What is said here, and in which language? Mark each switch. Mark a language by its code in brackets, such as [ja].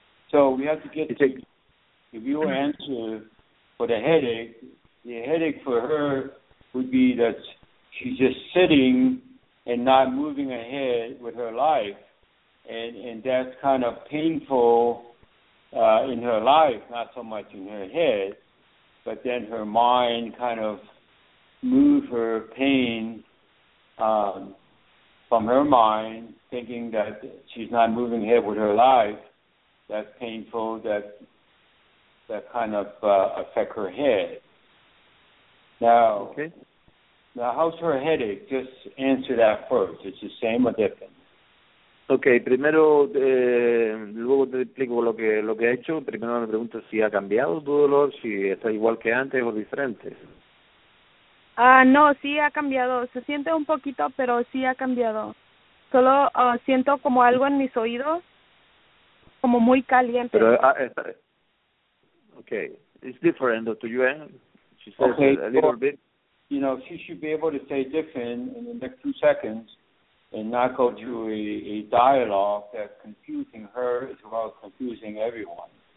[en] So we have to get if your answer for the headache for her would be that she's just sitting and not moving ahead with her life, and that's kind of painful in her life, not so much in her head, but then her mind kind of move her pain from her mind, thinking that she's not moving ahead with her life. That's painful. That kind of affect her head. Now, how's her headache? Just answer that first. It's the same or different? Okay. [es] Primero, luego te explico lo que he hecho. Primero me pregunto si ha cambiado tu dolor, si está igual que antes o diferente. No, sí ha cambiado. Se siente un poquito, pero sí ha cambiado. Solo siento como algo en mis oídos, como muy caliente. Pero, [en] okay, it's different, Dr. Yuan. She says a little bit. You know, she should be able to say different in the next 2 seconds and not go to a dialogue that's confusing her as well as confusing everyone.